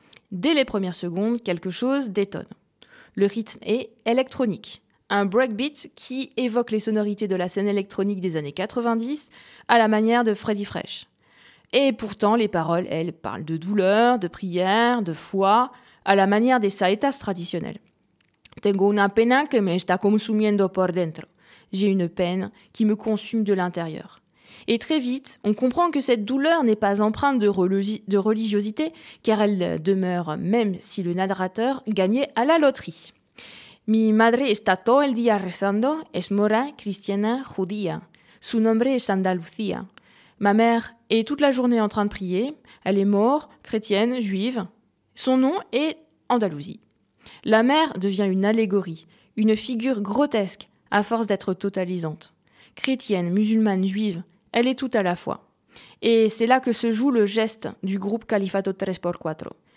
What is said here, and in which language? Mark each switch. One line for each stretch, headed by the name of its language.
French: Dès les premières secondes, quelque chose détonne. Le rythme est électronique, un breakbeat qui évoque les sonorités de la scène électronique des années 90 à la manière de Freddy Fresh. Et pourtant, les paroles, elles, parlent de douleur, de prière, de foi, à la manière des saetas traditionnelles.
Spanish: Tengo una pena que me está consumiendo por dentro.
French: J'ai une peine qui me consume de l'intérieur. Et très vite, on comprend que cette douleur n'est pas empreinte de religiosité, car elle demeure même si le narrateur gagnait à la loterie.
Spanish: Mi madre está todo el día rezando, es mora, cristiana, judía. Su nombre es Andalucía.
French: Ma mère est toute la journée en train de prier, elle est mora, chrétienne, juive. Son nom est Andalousie. La mère devient une allégorie, une figure grotesque à force d'être totalisante. Chrétienne, musulmane, juive, elle est tout à la fois. Et c'est là que se joue le geste du groupe Califato 3x4.